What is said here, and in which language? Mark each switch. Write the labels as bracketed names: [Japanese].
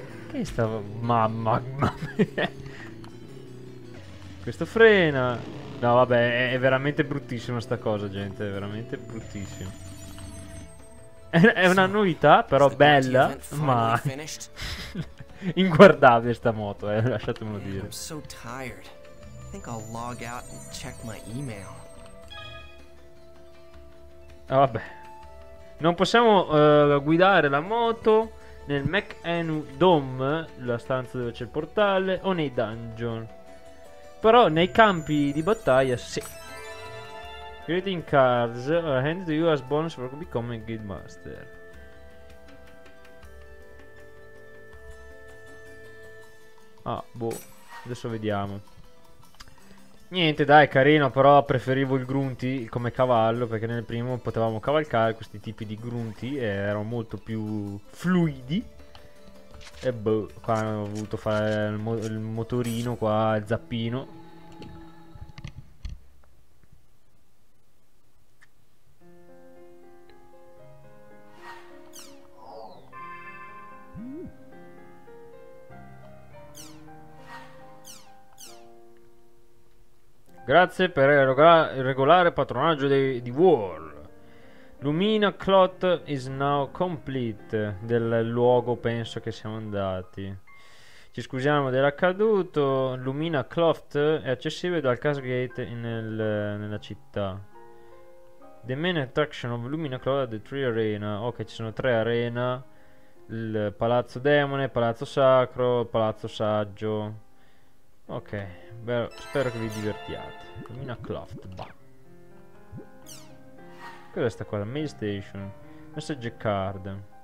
[Italian] Che stava... Mamma mia. Questo frena. No, vabbè, è veramente bruttissima sta cosa, gente. È veramente bruttissima. È una novità, però bella, ma... Inguardabile sta moto, lasciatemelo dire. [English] So tired. I think I'll log out and check my email. [Italian] Ah, vabbè. Non possiamo guidare la moto nel McEnu Dome, la stanza dove c'è il portale, o nei dungeon. Però nei campi di battaglia, sì. [English] Creating cards are handed to you as bonus for becoming guildmaster. [Italian] Ah, boh. Adesso vediamo. Niente, dai, carino. Però preferivo il grunty come cavallo, perché nel primo potevamo cavalcare questi tipi di grunty e erano molto più fluidi. E boh, qua ho voluto fare il motorino, qua il zappino. Grazie per il regolare patronaggio di War. [English] Lumina Clot is now complete. [Italian] Del luogo penso che siamo andati. Ci scusiamo dell'accaduto. Lumina Cloth è accessibile dal Casgate nella città. [English] The main attraction of Lumina Cloth are the three arena. [Italian] Ok, ci sono tre arena. Il palazzo demone, palazzo sacro, palazzo saggio. Ok, beh, spero che vi divertiate. Lumina Cloth, bah. Cos'è sta cosa? [English] Mail station. Message card.